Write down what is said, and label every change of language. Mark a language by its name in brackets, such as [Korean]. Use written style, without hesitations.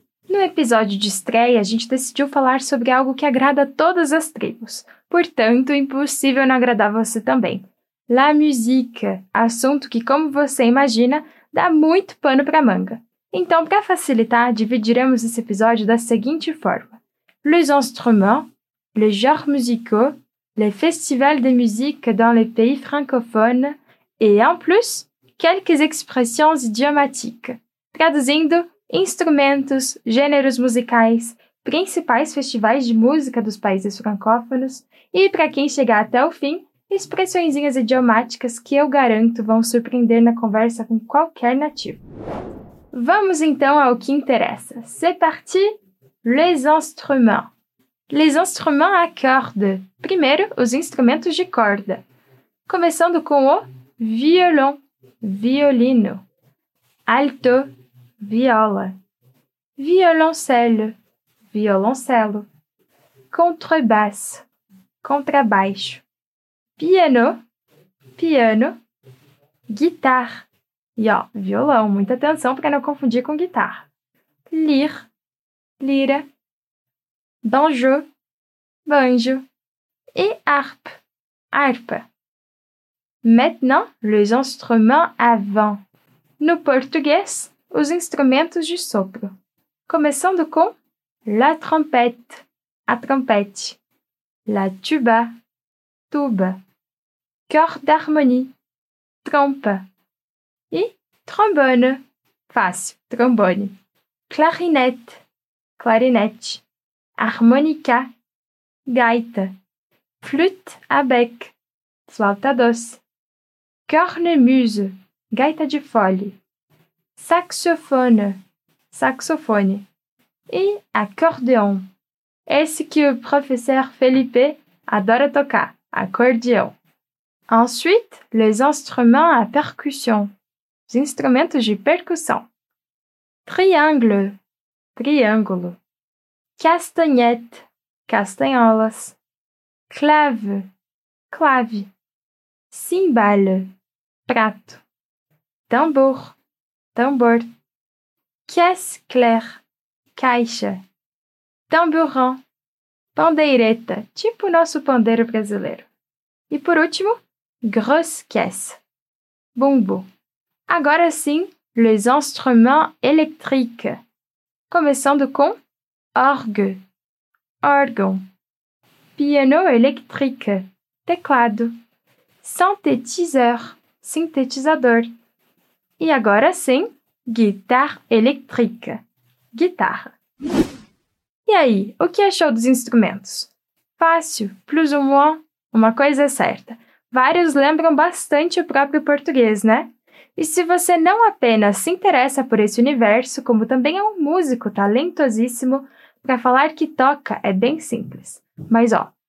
[Portuguese] No episódio de estreia, a gente decidiu falar sobre algo que agrada todas as tribos. Portanto, impossível não agradar você também. [French] La musique, [Portuguese] assunto que, como você imagina, dá muito pano para manga. Então, para facilitar, dividiremos esse episódio da seguinte forma. [French] Les instruments, les genres musicaux, les festivals de musique dans les pays francophones et, en plus, quelques expressions idiomatiques. [Portuguese] Traduzindo, instrumentos, gêneros musicais, principais festivais de música dos países francófonos e, para quem chegar até o fim, expressõezinhas idiomáticas que eu garanto vão surpreender na conversa com qualquer nativo. Vamos então ao que interessa. [French] C'est parti! Les instruments. Les instruments à cordes. [Portuguese] Primeiro, os instrumentos de corda. Começando com o violon, violino. Alto, viola. Violoncelo, violoncelo. Contrebasse, contrabaixo. Piano, piano. Guitar. E ó, violão, muita atenção para não confundir com guitarra. Lyre, lira. Banjo, banjo. E harpe, harpa. [French] Maintenant, les instruments à vent. [Portuguese] No português, os instrumentos de sopro. Começando com la trompette, a trompete. [French] La tuba, tuba. Corde d'harmonie, trompa. [Portuguese] E trombone, fácil, trombone. Clarinette, clarinete. [French] Harmonica, gaita. Flûte à bec, flauta doce. [Portuguese] Cornemuse, gaita de fole. Saxophone, saxofone. E acordeon, esse que o professor Felipe adora tocar, acordeon. [French] Ensuite, les instruments à percussion. [Portuguese] Os instrumentos de percussão. Triangle, triângulo. Castagnette, castanholas. Clave, clave. Cymbale, prato. Tambor, tambor. Caisse claire, caixa. Tambourin, pandeireta, tipo o nosso pandeiro brasileiro. E por último, grosse caisse, bumbo. Agora sim, [French] les instruments électriques. [Portuguese] Começando com orgue, órgão. [French] Piano électrique, teclado. Synthétiseur, sintetizador. [Portuguese] E agora sim, guitare électrique, guitarra. E aí, o que achou dos instrumentos? Fácil, [French] plus ou moins, [Portuguese] uma coisa é certa. Vários lembram bastante o próprio português, né? E se você não apenas se interessa por esse universo, como também é um músico talentosíssimo, para falar que toca é bem simples. Mas ó,